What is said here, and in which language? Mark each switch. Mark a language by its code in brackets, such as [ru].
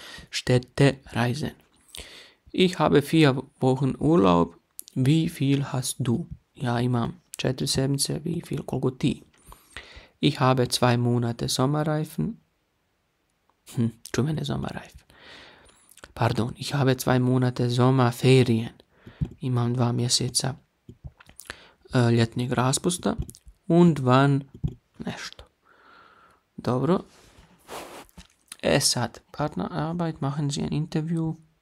[de] Städtereisen. Ich habe 4 Wochen Urlaub. Wie viel hast du? [bs] Ja imam 4 sedmice. [de] Wie viel? [bs] Koliko ti? [de] Ich habe 2 Monate Sommerreifen. Čumene Sommerreifen. Pardon. Ich habe 2 Monate Sommerferien. [bs] Imam 2 mjeseca ljetnjeg raspusta. [de] Und wann [bs] nešto. Dobro. E sad, [de] Partnerarbeit, machen Sie ein Interview.